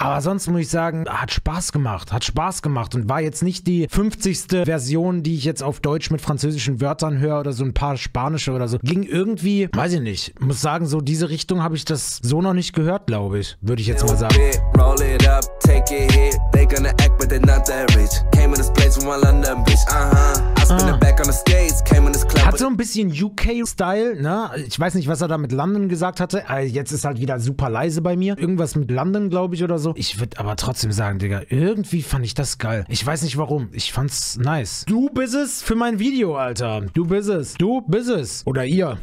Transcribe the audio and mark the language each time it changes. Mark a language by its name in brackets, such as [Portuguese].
[German] Aber sonst muss ich sagen, hat Spaß gemacht. Hat Spaß gemacht und war jetzt nicht die 50. Version, die ich jetzt auf Deutsch mit französischen Wörtern höre oder so ein paar spanische oder so. Ging irgendwie, weiß ich nicht. Muss sagen, so diese Richtung habe ich das so noch nicht gehört, glaube ich. Würde ich jetzt mal sagen. [English] Roll it up, take it here. They gonna act but they're not that rich. Came in this place from my London bitch. [German] Hat so ein bisschen UK-Style, ne? Ich weiß nicht, was er da mit London gesagt hatte. Jetzt ist halt wieder super leise bei mir. Irgendwas mit London, glaube ich, oder so. Ich würde aber trotzdem sagen, Digga, irgendwie fand ich das geil. Ich weiß nicht warum. Ich fand's nice. Du bist es für mein Video, Alter. Du bist es. Du bist es. Oder ihr.